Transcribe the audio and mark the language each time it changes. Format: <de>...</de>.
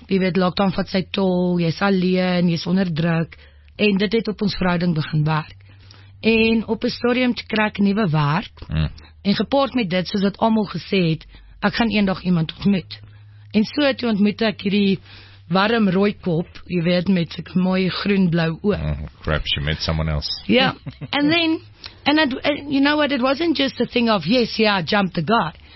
<af>Jy weet, lockdown vat sy tol, jy is alleen, jy is onder druk. En dit het op ons verhouding begin werk. En op een stadium te kry ek nuwe werk. En gepaard met dit, soos het allemaal gesê het, ek gaan eendag iemand ontmoet. En so het ontmoet ek hierdie warm rooi kop, jy weet, met sy mooie groen-blauw oog.</af> <en>Crap, she met someone else. Yeah, and then... And you know what, it wasn't just a thing of, yes, yeah, I jumped the guy.</en>